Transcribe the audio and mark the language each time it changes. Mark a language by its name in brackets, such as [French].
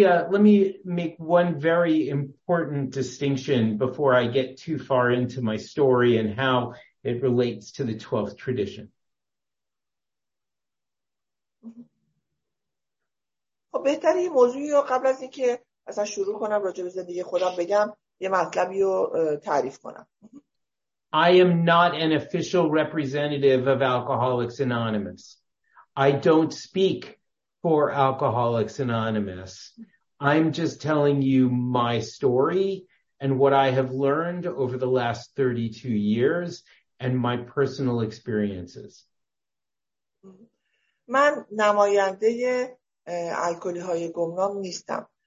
[English] Let me make one very important distinction before I get too far into my story and how it relates to the 12th tradition. [Persian] خب بهتره یه موضوعی رو قبل از اینکه اصلا شروع کنم راجع به زندگی خودم بگم یه مطلبی رو تعریف کنم. [English] I am not an official representative of Alcoholics Anonymous. I don't speak for Alcoholics Anonymous. I'm just telling you my story and what I have learned over the last 32 years and my personal experiences. [Persian] من نماینده الکلی های گمنام نیستم.